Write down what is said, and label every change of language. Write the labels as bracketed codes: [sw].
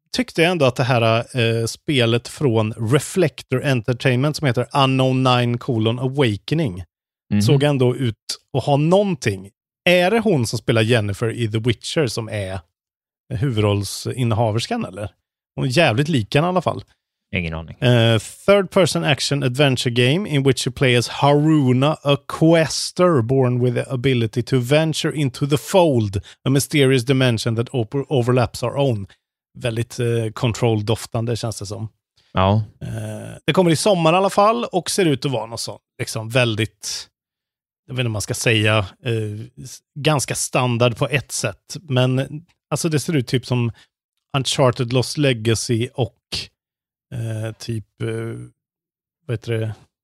[sv] Tyckte jag ändå att det här spelet från Reflector Entertainment som heter Unknown 9: Awakening såg ändå ut att ha någonting. Är det hon som spelar Jennifer i The Witcher som är huvudrollsinnehaverskan eller? Hon är jävligt likan i alla fall. Ingen aning. [en] Third person action adventure game in which you play as Haruna, a quester born with the ability to venture into the fold, a mysterious dimension that overlaps our own. [sv] Väldigt control-doftande känns det som. Ja. Det kommer i sommar i alla fall och ser ut att vara något sånt. Liksom väldigt, jag vet inte om man ska säga, ganska standard på ett sätt. Men alltså det ser ut typ som Uncharted Lost Legacy och vad heter det?